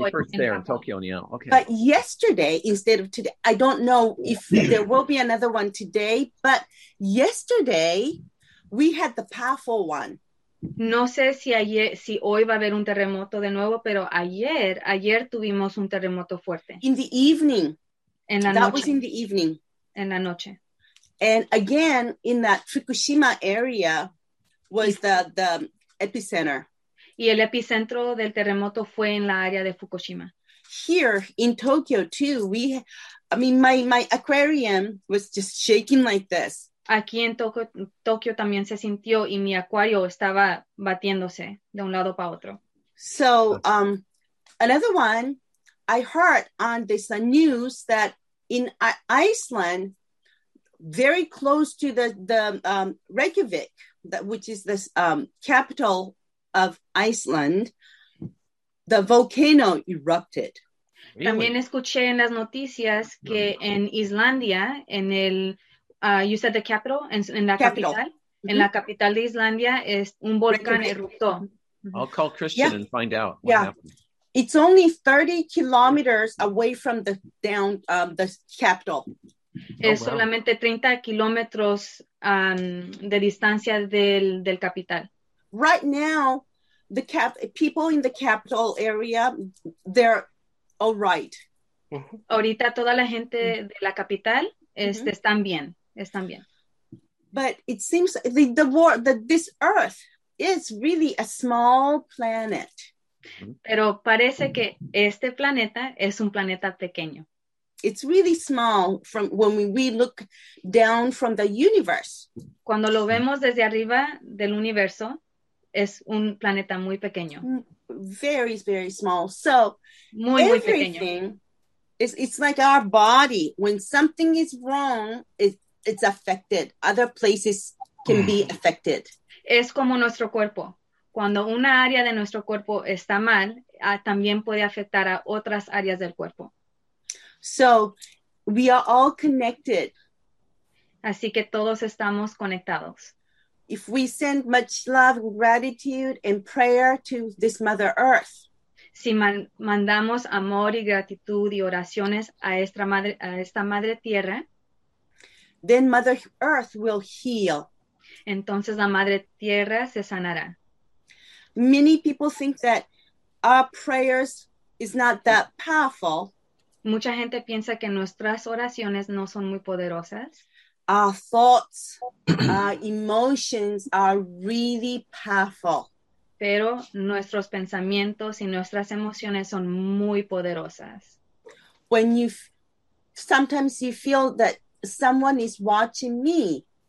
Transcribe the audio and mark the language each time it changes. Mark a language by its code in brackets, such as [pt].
[en] Oh, it's 21st there in Tokyo, yeah. Okay. But yesterday instead of today, I don't know if there will be another one today, but yesterday we had the powerful one. [es] No sé si hoy va a haber un terremoto de nuevo, pero ayer tuvimos un terremoto fuerte. [en] In the evening. [es] En la [en] that [es] noche. [en] Was in the evening. [es] En la noche. [en] And again, in that Fukushima area was the epicenter. [es] Y el epicentro del terremoto fue en la área de Fukushima. [en] Here in Tokyo too, my aquarium was just shaking like this. [es] Aquí en Tokio también se sintió y mi acuario estaba batiéndose de un lado para otro. [en] So, another one, I heard on this news that in Iceland, very close to the Reykjavik, which is the capital of Iceland, the volcano erupted. Really? [es] También escuché en las noticias que [en] really cool. [es] En Islandia, en el... [en] you said the capital, [es] en la capital. Mm-hmm. En la capital de Islandia es un volcán eruptó. [en] I'll call Christian and find out what happened. It's only 30 kilometers away from the down the capital. [es] Es solamente 30 kilómetros de distancia del capital. [en] Right now, the people in the capital area, they're all right. [es] Ahorita toda la gente de la capital están bien. Están bien. [en] But it seems the world that this Earth is really a small planet. [es] Pero parece que este planeta es un planeta pequeño. [en] It's really small from when we look down from the universe. [es] Cuando lo vemos desde arriba del universo, es un planeta muy pequeño. [en] Very, very small. So [es] muy, [en] everything [es] muy pequeño. [en] It's like our body. When something is wrong, it's affected. Other places can be affected. [es] Es como nuestro cuerpo. Cuando una área de nuestro cuerpo está mal, también puede afectar a otras áreas del cuerpo. [en] So we are all connected. [es] Así que todos estamos conectados. [en] If we send much love, gratitude, and prayer to this Mother Earth, [es] si mandamos amor y gratitud y oraciones a esta madre tierra, [en] then Mother Earth will heal. [es] Entonces la madre tierra se sanará. [en] Many people think that our prayers is not that powerful. [es] Mucha gente piensa que nuestras oraciones no son muy poderosas. [en] Our thoughts, our emotions are really powerful. [es] Pero nuestros pensamientos y nuestras emociones son muy poderosas. [en] When you sometimes you feel that someone is watching me.